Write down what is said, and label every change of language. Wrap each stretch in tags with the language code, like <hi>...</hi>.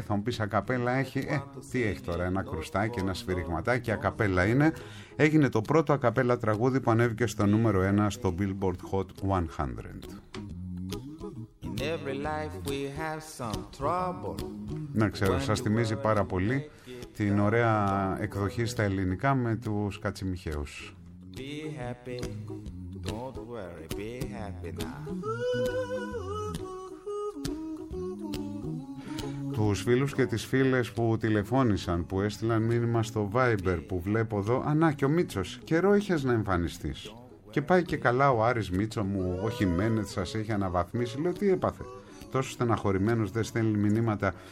<el>Θα μου πεις ακαπέλα έχει, τι έχει τώρα, ένα κρουστάκι, ένα σφυριγματάκι, ακαπέλα είναι. Έγινε το πρώτο ακαπέλα τραγούδι που ανέβηκε στο νούμερο ένα στο Billboard Hot 100.</el> <en>In every life we have some trouble.</en> <el>Να ξέρω, σας θυμίζει πάρα πολύ την ωραία εκδοχή στα ελληνικά με τους Κατσιμιχαίους.</el> <en>Be happy, don't worry, be happy now.</en> <el>Τους φίλους και τις φίλες που τηλεφώνησαν, που έστειλαν μήνυμα στο Viber, που βλέπω εδώ. Ανά, και ο Μίτσος, καιρό είχες να εμφανιστείς. Και πάει και καλά ο Άρης Μίτσο μου, ο Χιμένεθ σας έχει αναβαθμίσει. Λέω, τι έπαθε, τόσο στεναχωρημένος δεν στέλνει μηνύματα?</el>